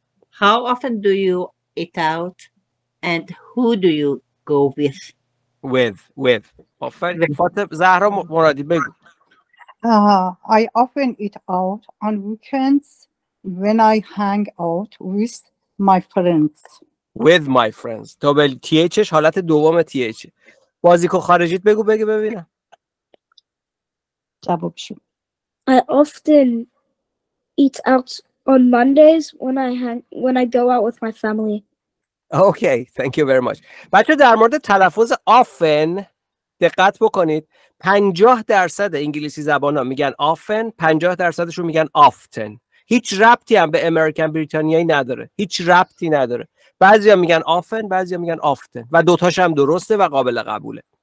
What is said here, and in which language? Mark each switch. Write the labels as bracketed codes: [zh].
[en] How often do you eat out and who do you go with? [fa] With. آفرین. فاطمه زهرا مرادی بگو. [en] I often eat out on weekends when I hang out with my friends. With my friends. [fa] دبل تی اچش حالت دوم تی اچ. بازیکن خارجیت بگو بگه ببینم. جوابشو. [en] I often eat out on Mondays when I go out with my family. Okay, thank you very much. [fa] بچه در مورد تلفظ often دقت بکنید. 50% انگلیسی زبان ها میگن often، 50%شون میگن often. هیچ ربطی هم به امریکن بریتانیایی نداره. هیچ ربطی نداره. بعضی هم میگن often، بعضی هم میگن often. و دوتاش هم درسته و قابل قبوله.